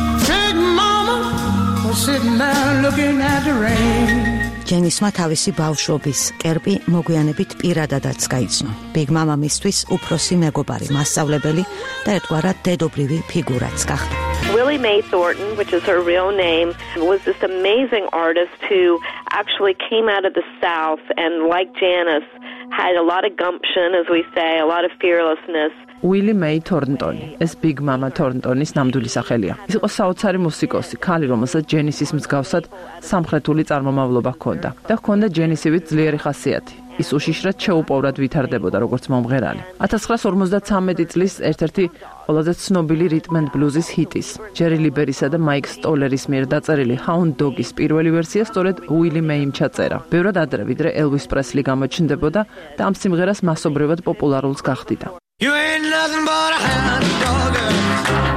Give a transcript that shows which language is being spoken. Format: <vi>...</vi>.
<en>Big mama was sitting there looking at the rain.</en> <ka>ჯენისმა თავისი ბავშვობის კერპი მოგვიანებით პირადადაც გაიცნო. ბიგ მამამისთვის უფროსი მეგობარი, მასწავლებელი და ერთგვარად დედობრივი ფიგურაც გახდა.</ka> <en>Willie Mae Thornton, which is her real name, was this amazing artist who actually came out of the South and like Janis had a lot of gumption, as we say, a lot of fearlessness.</en> <ka>უილი მეი თორნტონი, ეს ბიგ მამა თორნტონის ნამდვილი სახელია. ის იყო საოცარი მუსიკოსი, ქალი, რომელსაც ჯენისის მსგავსად სამხრეთული წარმომავლობა ჰქონდა და ჰქონდა ჯენისივით ძლიერი ხასიათი. ის უშიშრად შეუპოვრად ვითარდებოდა როგორც მომღერალი. 1953 წლის ერთ-ერთი ყველაზე ცნობილი რიტმენ ბლუზის ჰიტის, ჯერი ლიბერისა და მაიკ სტოლერის მიერ დაწერილი Hound Dog-ის პირველი ვერსია სწორედ უილი მეიმ ჩაწერა. ბევრად ადრე, ვიდრე ელვის პრესლი გამოჩნდებოდა და ამ სიმღერას მასობრივად პოპულარულს გახდიდა.</ka> <en>You ain't nothing but a hound dog.</en>